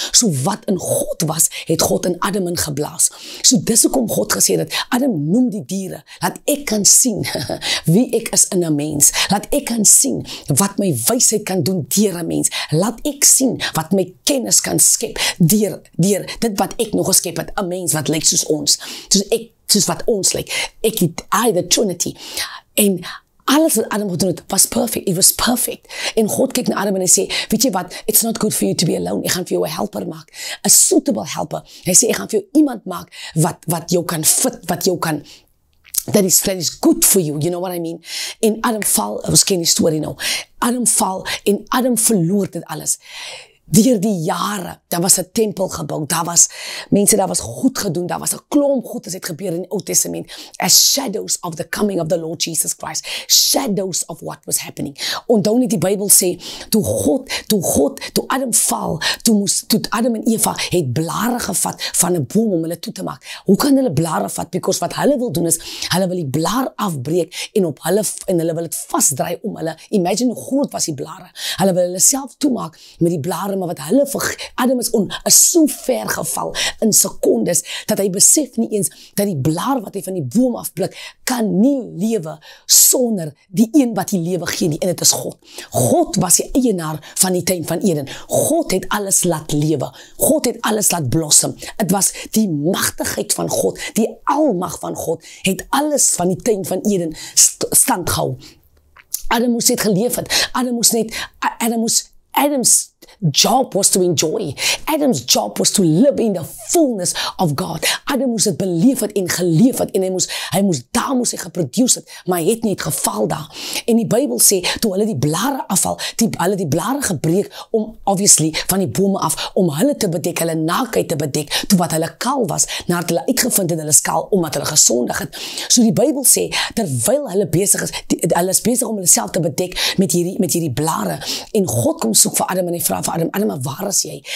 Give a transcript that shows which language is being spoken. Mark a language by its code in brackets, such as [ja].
[af] So wat in God was, het God in Adam in geblaas. So dis ook om God gesê dat, Adam noem die diere, dat ek kan sien wie ek is in 'n mens. Laat ek kan sien wat my wysheid kan doen deur 'n mens. Laat ek sien wat my kennis kan skep deur dit wat ek nog geskep het, 'n mens wat lyk soos ons. Soos wat ons lyk. Ek het I the Trinity. En alles wat Adam gedoen het, was perfect. [en] It was perfect. [af] En God kyk na Adam en hy sê, weet jy wat, [en] it's not good for you to be alone. [af] Ek gaan vir jou 'n helper maak. [en] A suitable helper. [af] Hy sê, ek gaan vir jou iemand maak wat jou kan fit, wat jou kan... [en] That is good for you, you know what I mean? [af] En Adam val, ons ken die story nou. Adam val en Adam verloor dit alles. Deur die jare, daar was 'n tempel gebou, daar was mense, daar was goed gedoen, daar was 'n klomp goed as het gebeur in die Oud Testament. [en] As shadows of the coming of the Lord Jesus Christ. Shadows of what was happening. [af] Onthou nie die Bybel sê, toe Adam val, toe Adam en Eva het blare gevat van 'n boom om hulle toe te maak. Hoe kan hulle blare vat? Because wat hulle wil doen is, hulle wil die blaar afbreek en op hulle, en hulle wil het vastdraai om hulle, imagine hoe groot was die blare. Hulle wil hulle self toemaak met die blare. Maar wat hulle Adam is on is so ver geval in sekondes dat hy besef nie eens dat die blaar wat hy van die boom afblik kan nie lewe sonder die een wat die lewe gee nie, en dit is God. God was die eienaar van die tuin van Eden. God het alles laat lewe. God het alles laat blossom. Het was die magtigheid van God, die almag van God het alles van die tuin van Eden stand gehou. Adam moes net geleef het. [en] Adam's job was to enjoy. Adam's job was to live in the fullness of God. [af] Adam moes het beleef het en geleef het, en hy moes geproduce het, maar hy het nie het geval daar. En die Bybel sê, toe hulle die blare afval, hulle die blare gebreek om, obviously, van die bome af, om hulle te bedek, hulle naakheid te bedek, toe wat hulle kaal was, nadat hulle uitgevind het hulle skaal, omdat hulle gesondig het. So die Bybel sê, terwyl hulle besig is, hulle is besig om hulle self te bedek met hierdie blare, en God kom soek vir Adam en hy vraag vir Adam, Adam, waar is jy?